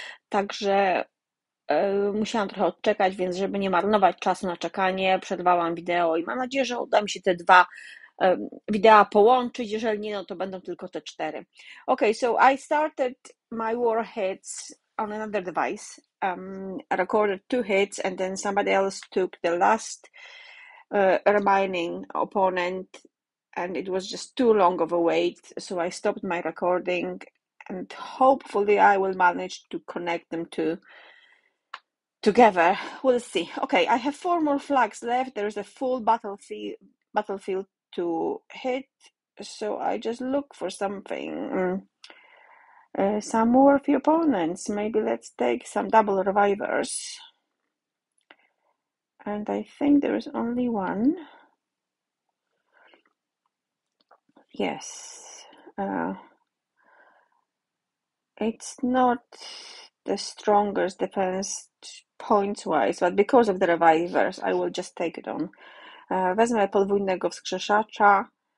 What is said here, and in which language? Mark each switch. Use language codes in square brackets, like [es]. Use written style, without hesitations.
[pl] Także musiałam trochę odczekać, więc żeby nie marnować czasu na czekanie, przerwałam wideo i mam nadzieję, że uda mi się te dwa wideo połączyć. Jeżeli nie, no to będą tylko te cztery. [en] Okay, so I started my warheads on another device. I recorded two hits and then somebody else took the last remaining opponent and it was just too long of a wait, so I stopped my recording and hopefully I will manage to connect them to together. We'll see. Okay, I have four more flags left. There is a full battlefield to hit, so I just look for something. Some more of the opponents. Maybe let's take some double revivers. And I think there is only one. Yes. It's not the strongest defense points wise, but because of the revivers, I will just take it on. [pl] Wezmę podwójnego wskrzeszacza.